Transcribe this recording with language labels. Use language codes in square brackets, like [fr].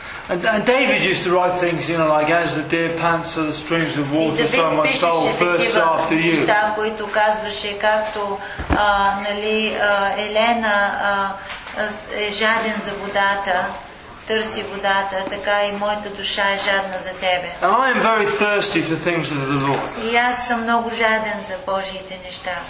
[en] And David used to write things, you know, like as the deer pants are the streams of water, so my soul thirsts after you. [bg] Да, който казваше, както, нали, Елена е жаден за водата, търси водата, така и моята душа е жадна за тебе. [en] And I am very thirsty for things of the Lord. [bg] И аз съм много жаден за Божиите неща.